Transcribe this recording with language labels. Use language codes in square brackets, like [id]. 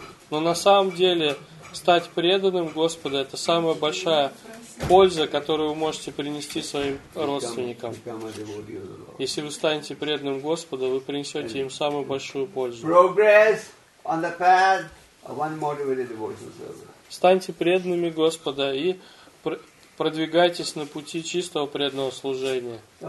[ru] Но на самом деле стать преданным Господу это самая большая польза, которую вы можете принести своим родственникам. Если вы станете преданным Господу, вы принесете им самую большую пользу. [en] Progress on the path of one motivated devotional service. [ru] Станьте преданными Господа и продвигайтесь на пути чистого преданного служения.